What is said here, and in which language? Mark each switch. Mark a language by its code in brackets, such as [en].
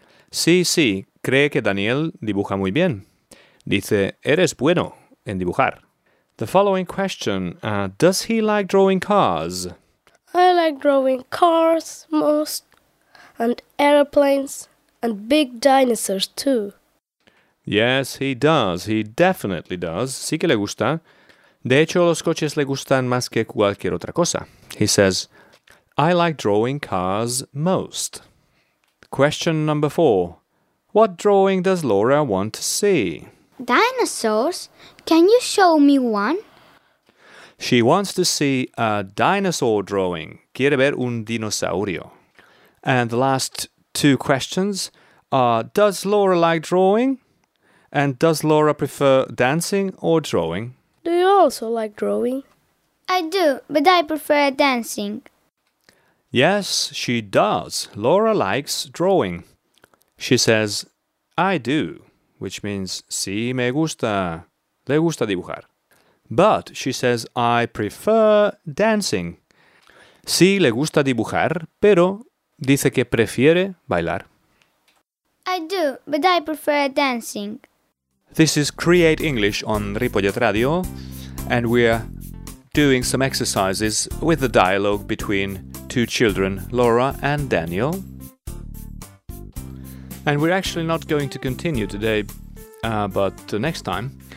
[es] Sí, sí, cree que Daniel dibuja muy bien. Dice, eres bueno en dibujar. [en] The following question, does he like drawing cars? I like drawing cars most, and airplanes, and big dinosaurs too. Yes, he does. He definitely does. [es] Sí que le gusta. De hecho, los coches le gustan más que cualquier otra cosa. [en] He says, I like drawing cars most. Question number four. What drawing does Laura want to see? Dinosaurs? Can you show me one? She wants to see a dinosaur drawing. [es] Quiere ver un dinosaurio. [en] And the last two questions are, does Laura like drawing? And does Laura prefer dancing or drawing? Do you also like drawing? I do, but I prefer dancing. Yes, she does. Laura likes drawing. She says, I do, which means, [es] sí, me gusta. Le gusta dibujar. [en] But she says, I prefer dancing. [es] Sí, le gusta dibujar, pero dice que prefiere bailar. [en] I do, but I prefer dancing. This is Create English on Ripollet Radio, and we're doing some exercises with the dialogue between two children, Laura and Daniel. And we're actually not going to continue today, but next time.